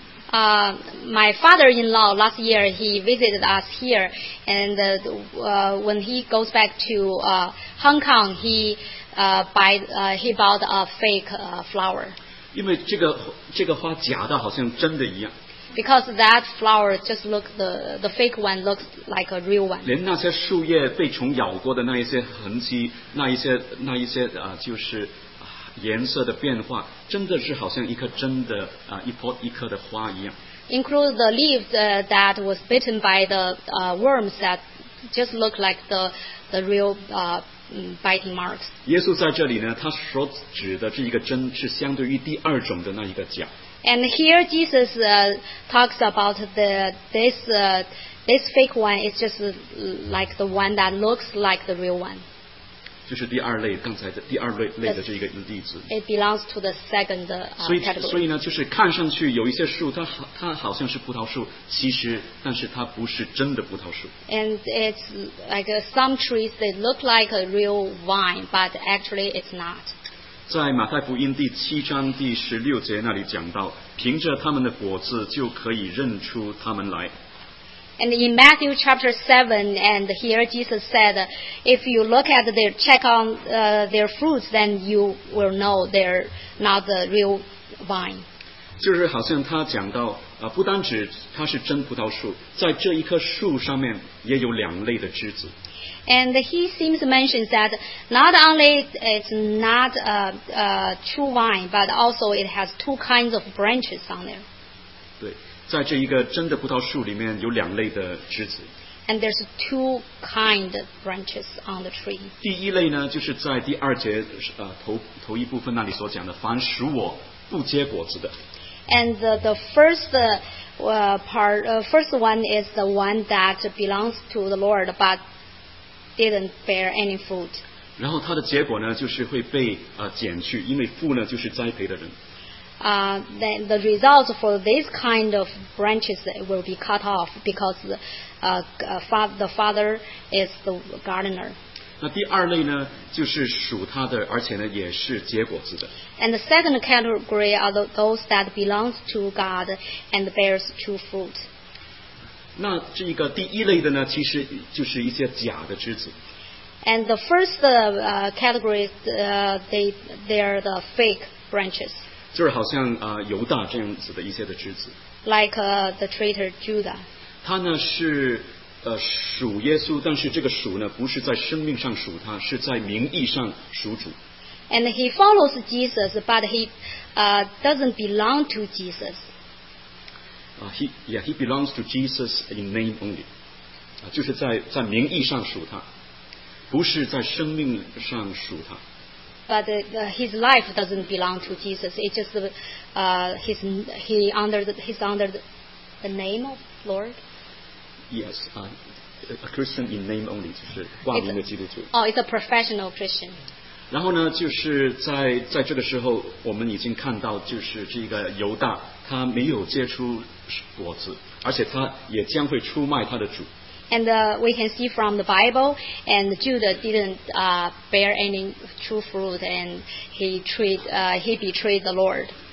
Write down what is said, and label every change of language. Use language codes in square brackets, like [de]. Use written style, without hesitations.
[en] My father-in-law last year he visited us here, and when he goes back to Hong Kong, he bought a fake flower. [zh] 因为这个花假的，好像真的一样。 [en] Because that flower just looks the fake one looks like a real one. [zh] 连那些树叶被虫咬过的那一些痕迹，那一些就是颜色的变化，真的是好像一颗真的一颗的花一样。 [en] Include the leaves that was bitten by the worms that just look like the real biting marks. [zh] 耶稣在这里呢，他所指的这一个真，是相对于第二种的那一个假。 [en] And here Jesus talks about this fake one is just like the one that looks like the real one. [zh] 就是第二类，刚才的第二类的这一个例子。 [en] It belongs to the second category. [zh] 所以呢，就是看上去有一些树，它好像是葡萄树，其实但是它不是真的葡萄树。 [en] And it's like some trees they look like a real vine, but actually it's not. [zh] 在马太福音第七章第十六节那里讲到，凭着他们的果子就可以认出他们来。 [en] And in Matthew chapter 7, and here Jesus said, if you look at their, check on their fruits, then you will know they're not the real vine. [zh] 就是好像他讲到，不单指它是真葡萄树，在这一棵树上面也有两类的枝子。 [en] And he seems to mention that not only it's not a true vine, but also it has two kinds of branches on there. [zh] 对，在这一个真的葡萄树里面有两类的枝子。 [en] And there's two kind of branches on the tree. [zh] 第一类呢，就是在第二节头一部分那里所讲的，凡属我不结果子的。 [en] And the first part, first one is the one that belongs to the Lord, but didn't bear any fruit. [zh] 然后它的结果呢，就是会被剪去，因为父呢就是栽培的人。 [en] the results for this kind of branches will be cut off because the father is the gardener. [zh] 那第二类呢, 就是属他的, 而且呢, [en] and the second category are those that belong to God and bears true fruit. [zh] 那这个第一类的呢, 其实就是一些假的枝子。 [en] And the first category, they are the fake branches. [zh] 就是好像, 犹大这样子的一些的枝子。 [en] Like the traitor Judah. [zh] 他呢是 属耶稣, 但是这个属呢, 不是在生命上属他, 是在名义上属主。 [en] And he follows Jesus, but he doesn't belong to Jesus. He belongs to Jesus in name only. [zh] 就是在名义上属他。不是在生命上属他。 [en] But his life doesn't belong to Jesus. It's just he's under the name of Lord. Yes, a Christian in name only, [zh] 就是挂名的基督徒。 [en] Oh, it's a professional Christian. [zh] 然后呢，就是在这个时候，我们已经看到，就是这个犹大，他没有结出果子，而且他也将会出卖他的主。 [en] And we can see from the Bible, and Judah didn't bear any true fruit, and he betrayed the Lord.